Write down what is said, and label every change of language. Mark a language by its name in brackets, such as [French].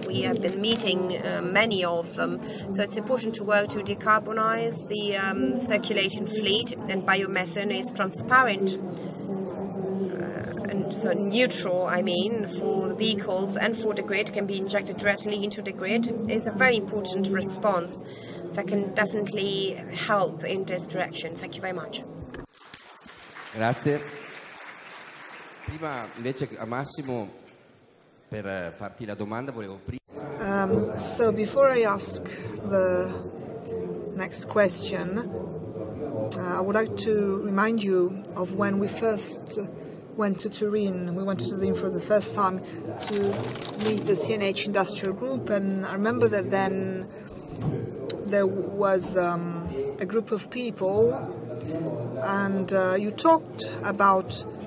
[English] We have been meeting many of them. So it's important to work to decarbonize the circulating fleet, and biomethane is transparent and so neutral, I mean, for the vehicles and for the grid, can be injected directly into the grid. It's a very important response that can definitely help in this direction. Thank you very much. [Italian] Grazie. Prima invece a Massimo per farti la domanda volevo prima. [English] So before I ask the next question, I would like to remind you of when we first went to Turin. We went to Turin for the first time to meet the CNH Industrial Group, and I remember that then there was a group of people, and you talked about